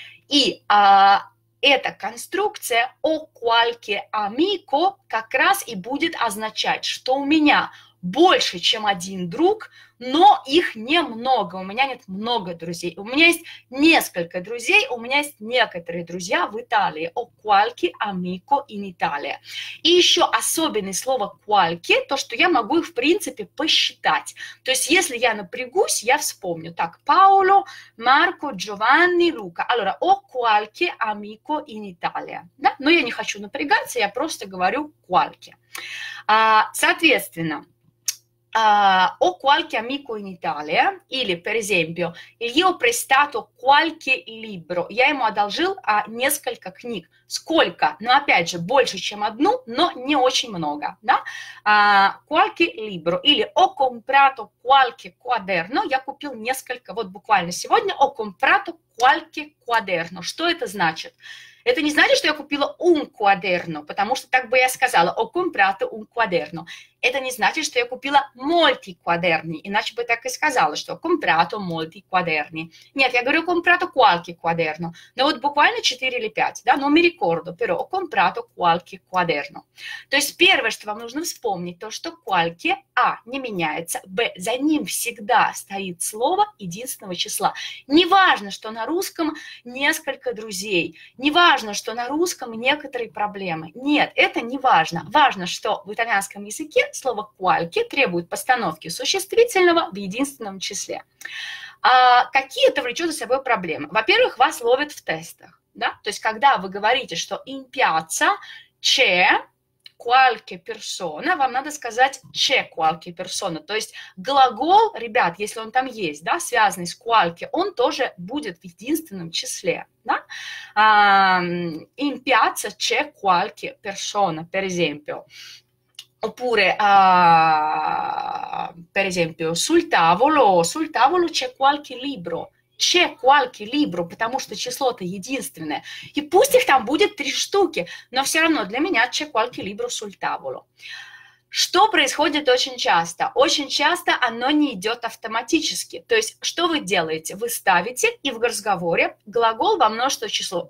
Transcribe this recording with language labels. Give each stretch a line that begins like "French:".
Russian: И эта конструкция
Italian: o qualche amico
Russian: как раз и будет означать, что у меня больше, чем один друг, но их немного, у меня нет много друзей. У меня есть несколько друзей, у меня есть некоторые друзья в Италии.
Italian: O qualche amico in Italia.
Russian: И еще особенное слово qualche, то, что я могу их, в принципе, посчитать. То есть, если я напрягусь, я вспомню. Так, Паоло, Марко, Джованни, Лука.
Italian: Allora, o qualche amico in Italia.
Russian: Да? Но я не хочу напрягаться, я просто говорю qualche. Соответственно,
Italian: Ho qualche amico in Italia, или, per esempio, gli ho prestato qualche libro.
Russian: Я ему одолжил несколько книг. Сколько? Ну, опять же, больше, чем одну, но не очень много, да?
Italian: Qualche libro. Или ho comprato qualche quaderno.
Russian: Я купил несколько, вот буквально сегодня,
Italian: ho comprato qualche quaderno.
Russian: Что это значит? Это не значит, что я купила
Italian: un quaderno,
Russian: потому что так бы я сказала,
Italian: ho comprato un quaderno.
Russian: Это не значит, что я купила
Italian: molti quaderni,
Russian: иначе бы так и сказала, что
Italian: ho comprato molti quaderni.
Russian: Нет, я говорю,
Italian: ho comprato qualche quaderno.
Russian: Но вот буквально 4 или 5, да, но
Italian: mi ricordo, però ho comprato qualche quaderno.
Russian: То есть первое, что вам нужно вспомнить, то, что qualche, а, не меняется, б, за ним всегда стоит слово единственного числа. Неважно, что на русском несколько друзей, неважно, что на русском некоторые проблемы. Нет, это не важно. Важно, что в итальянском языке слово qualche требует постановки существительного в единственном числе. А какие это влечет за собой проблемы? Во-первых, вас ловят в тестах. Да? То есть, когда вы говорите, что
Italian: in piazza c'è qualche persona,
Russian: вам надо сказать
Italian: c'è qualche persona.
Russian: То есть, глагол, ребят, если он там есть, да, связанный с qualche, он тоже будет в единственном числе. Да?
Italian: In piazza c'è qualche persona, per esempio. Oppure, per esempio, sul tavolo c'è qualche libro. C'è qualche libro,
Russian: потому что число это единственное. И пусть их там будет три штуки, но все равно для меня
Italian: c'è qualche libro sul tavolo.
Russian: Что происходит очень часто? Очень часто оно не идет автоматически. То есть, что вы делаете? Вы ставите и в разговоре глагол во множество число.